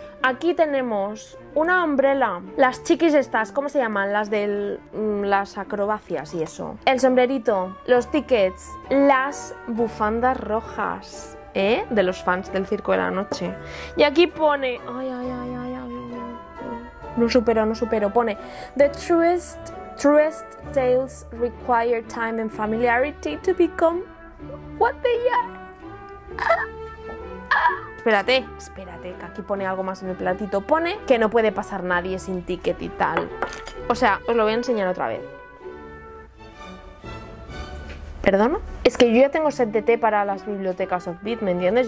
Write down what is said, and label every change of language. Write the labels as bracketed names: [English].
[Spanish] Aquí tenemos una umbrella. Las chiquis estas, ¿cómo se llaman? Las de las acrobacias y eso. El sombrerito. Los tickets. Las bufandas rojas. ¿Eh? De los fans del Circo de la Noche. Y aquí pone... Ay, ay, ay, ay, ay, ay, ay. No supero. Pone... [English] The truest tales require time and familiarity to become what they are. [Spanish] Espérate, que aquí pone algo más en el platito. Pone que no puede pasar nadie sin ticket y tal. O sea, os lo voy a enseñar otra vez. ¿Perdona? Es que yo ya tengo set de té para las bibliotecas of Beat, ¿me entiendes?